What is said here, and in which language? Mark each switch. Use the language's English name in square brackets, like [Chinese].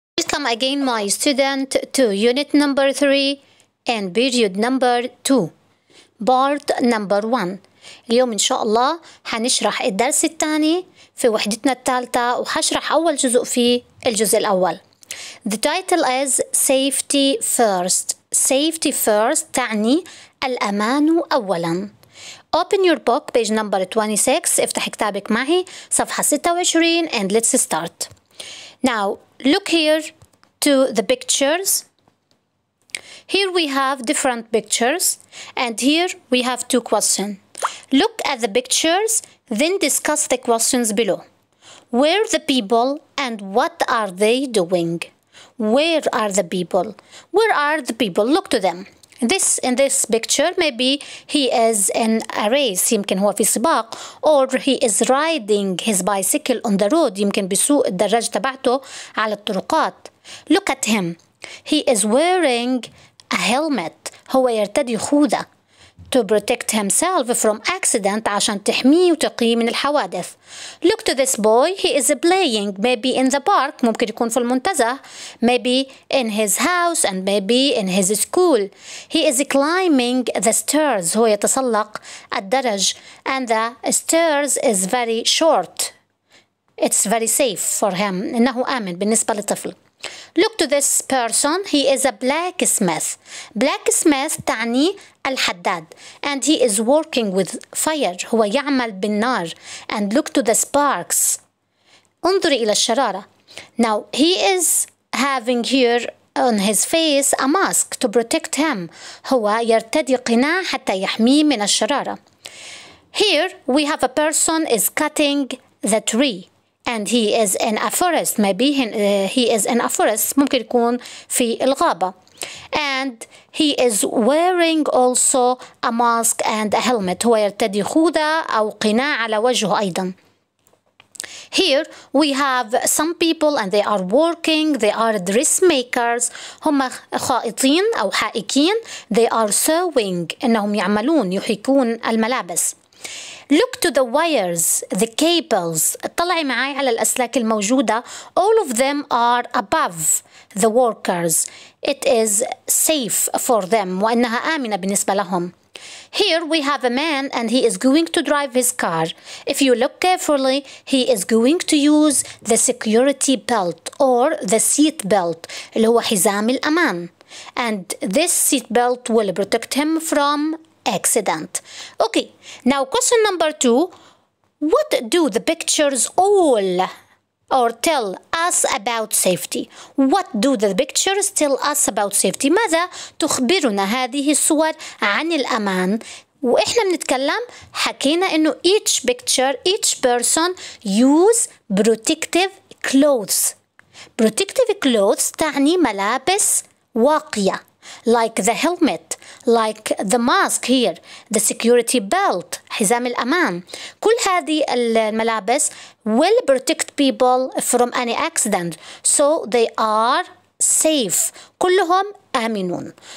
[English] Welcome again, my student, to unit number 3 and period number 2. Part number 1. [Arabic] اليوم إن شاء الله هنشرح الدرس الثاني في وحدتنا الثالثة وهشرح أول جزء في الجزء الأول. [English] The title is Safety First. [Arabic] Safety First تعني الأمان أولاً. [English] Open your book, page number 26. [Arabic] افتح كتابك معي صفحة 26 [English] and let's start. Now, look here to the pictures. Here we have different pictures and here we have two questions. Look at the pictures, then discuss the questions below. Where are the people and what are they doing? Where are the people? Where are the people? Look to them. In this picture, maybe he is in a race, [Arabic] يمكن هو في سباق, [English] or he is riding his bicycle on the road, [Arabic] يمكن بيسوق الدراجة تبعته على الطرقات. [English] Look at him. He is wearing a helmet. [Arabic] هو يرتدي خوذة [English] to protect himself from accident, [Arabic] عشان تحميه وتقيه من الحوادث. [English] Look to this boy. He is playing, maybe in the park, [Arabic] ممكن يكون في المنتزه, [English] maybe in his house and maybe in his school. He is climbing the stairs. [Arabic] هو يتسلق الدرج, [English] and the stairs is very short. It's very safe for him. [Arabic] إنه آمن بالنسبة للطفل. [English] Look to this person. He is a blacksmith. [Arabic] Blacksmith تعني الحداد. [English] And he is working with fire. [Arabic] هو يعمل بالنار. [English] And look to the sparks. [Arabic] انظري إلى الشرارة. [English] Now, he is having here on his face a mask to protect him. [Arabic] هو يرتدي قناع حتى يحميه من الشرارة. [English] Here, we have a person is cutting the tree. And he is in a forest. Maybe he is in a forest. [Arabic] ممكن يكون في الغابة. [English] And he is wearing also a mask and a helmet. [Arabic] هو يرتدي خوذة أو قناع على وجهه أيضا. [English] Here we have some people and they are working. They are dressmakers. [Arabic] هم خائطين أو حائكين. [English] They are sewing. [Arabic] إنهم يعملون يحيكون الملابس. [English] Look to the wires, the cables. [Arabic] اطلعي معي على الأسلاك الموجودة. [English] All of them are above the workers. It is safe for them. [Arabic] وإنها آمنة بالنسبة لهم. [English] Here we have a man and he is going to drive his car. If you look carefully, he is going to use the security belt or the seat belt. [Arabic] اللي هو حزام الأمان. [English] And this seat belt will protect him from accident. Okay, now question number 2. What do the pictures all or tell us about safety? What do the pictures tell us about safety? [Arabic] ماذا تخبرنا هذه الصور عن الأمان؟ وإحنا بنتكلم حكينا إنه [English] each picture, each person use protective clothes. [Arabic] Protective clothes تعني ملابس واقية. [English] Like the helmet, like the mask here, the security belt, [Arabic] حزام الأمان. كل هذه الملابس [English] will protect people from any accident. So they are safe. [Arabic] كلهم آمنون.